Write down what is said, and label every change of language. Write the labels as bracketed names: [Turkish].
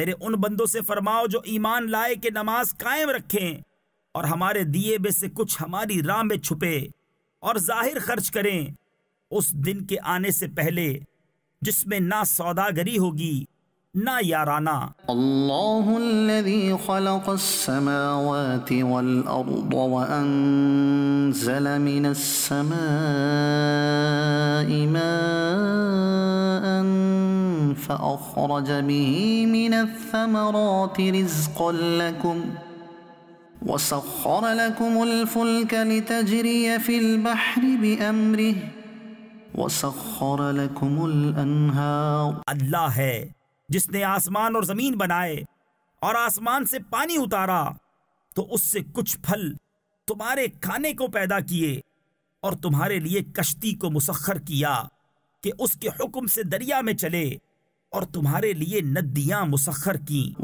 [Urdu] میرے ان بندوں سے فرماؤ جو ایمان لائے کہ نماز قائم رکھیں اور ہمارے دیے بے سے کچھ ہماری راہ میں چھپے اور ظاہر خرچ کریں اس دن کے آنے سے پہلے جس میں نہ سوداگری ہوگی نہ یارانہ [Arabic] اللہ الذی خلق السماوات والارض وانزل من السماء ماء فأخرج به من الثمرات رزقا لكم وسخر لكم الفلك لتجري في البحر بأمره وسخر لكم الأنهار. [Urdu] اللہ ہے جس نے آسمان اور زمین بنائے اور آسمان سے پانی اتارا تو اس سے کچھ پھل تمہارے کھانے کو پیدا کیے اور تمہارے لیے کشتی کو مسخر کیا کہ اس کے حکم سے دریا میں چلے اور تمہارے لیے ندیاں مسخر کیں.